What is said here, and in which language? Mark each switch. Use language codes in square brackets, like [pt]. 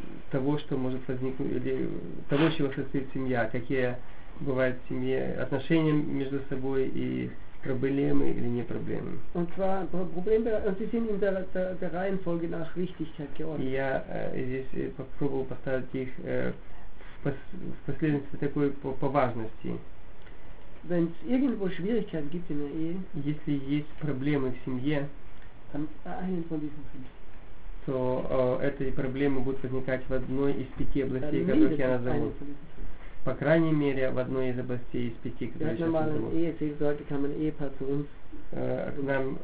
[ru] Того, что может возникнуть, или того, чего состоит семья, какие бывают в семье отношения между собой и проблемы или не проблемы. [de] Und zwar, sie sind in der Reihenfolge nach Wichtigkeit geordnet. [ru] Я здесь попробовал поставить их в последовательности такой по важности. [de] Wenn es irgendwo Schwierigkeiten gibt in der Ehe, [ru] если есть проблемы в семье, [de] dann von diesen 5. [ru] То эти проблемы будут возникать в одной из 5 областей, которых я назову. По крайней мере, в одной из областей из 5, которые я сейчас назову.